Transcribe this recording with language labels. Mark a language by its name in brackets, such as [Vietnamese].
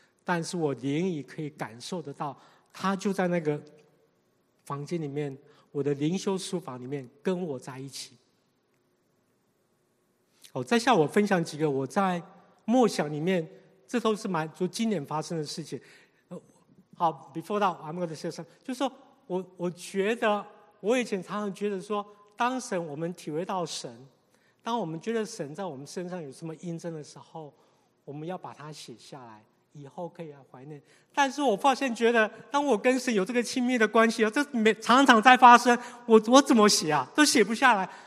[Chinese] 但是我灵已可以感受得到，他就在那个房间里面，我的灵修书房里面跟我在一起。好，再下我分享几个我在默想里面，这都是蛮就今年发生的事情。 [English] 好 ，before that, I'm going to say something. [Chinese] 就是说我觉得我以前常常觉得说，当神我们体会到神，当我们觉得神在我们身上有什么印证的时候，我们要把它写下来，以后可以来怀念。但是我发现觉得，当我跟神有这个亲密的关系，这常常在发生，我怎么写啊，都写不下来。